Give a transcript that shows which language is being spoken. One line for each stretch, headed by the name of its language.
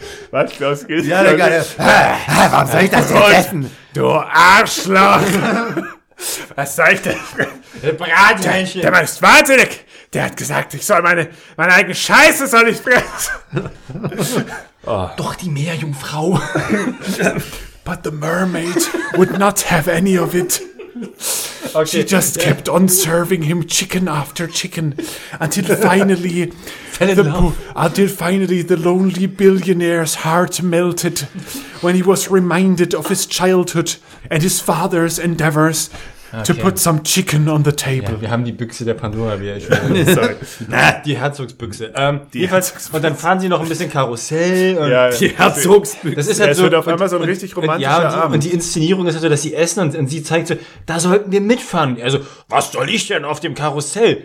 German: Was, Klaus Kinski? Ja, der warum soll ich das denn essen? Du Arschloch. Was soll ich denn? Brathähnchen. Der Mann ist wahnsinnig. Der hat gesagt, ich soll meine eigene Scheiße soll ich fressen. Oh. Doch die Meerjungfrau.
English: But the mermaid would not have any of it. Okay. She just kept on serving him chicken after chicken until finally the lonely billionaire's heart melted when he was reminded of his childhood and his father's endeavors. Okay. To put some chicken on the table.
German: Ja, wir haben die Büchse der Pandora, wie ich will. Die Herzogsbüchse. Herzogsbüchse. Und dann fahren sie noch ein bisschen Karussell. Und ja, die Herzogsbüchse. Das ist halt ja, so, wird auf einmal so ein richtig romantischer Abend. Die, und die Inszenierung ist halt so, dass sie essen und sie zeigt so, da sollten wir mitfahren. Also, was soll ich denn auf dem Karussell?